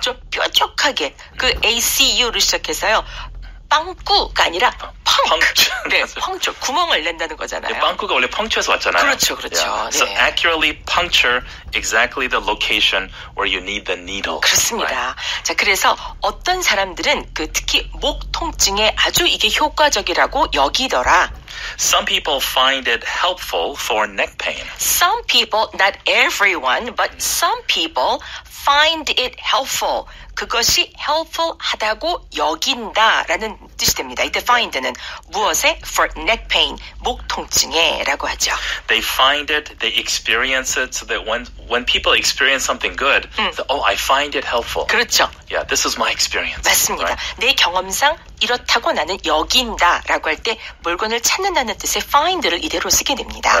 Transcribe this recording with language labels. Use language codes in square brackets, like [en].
[ko] 좀 뾰족하게 그 ACU를 시작해서요. 빵꾸가 아니라 펑크. 네, 펑크. 구멍을 낸다는 거잖아요. 네, 빵꾸가 원래 펑크해서 왔잖아요. 그렇죠, 그렇죠. Yeah. So 네. [en] accurately puncture exactly the location where you need the needle. [ko] 그렇습니다. Right. 자, 그래서 어떤 사람들은 그 특히 목 통증에 아주 이게 효과적이라고 여기더라. [en] Some people find it helpful for neck pain. Some people, not everyone, but some people find it helpful. [ko] 그것이 helpful 하다고 여긴다 라는 뜻이 됩니다. 이때 find는 무엇에? [en] For neck pain, [ko] 목 통증에 라고 하죠. [en] They find it, they experience it so that when people experience something good, oh, I find it helpful. [ko] 그렇죠. [en] Yeah, this is my experience. [ko] 맞습니다. [en] Right? [ko] 내 경험상 이렇다고 나는 여긴다 라고 할 때 물건을 찾는다는 뜻의 find를 이대로 쓰게 됩니다.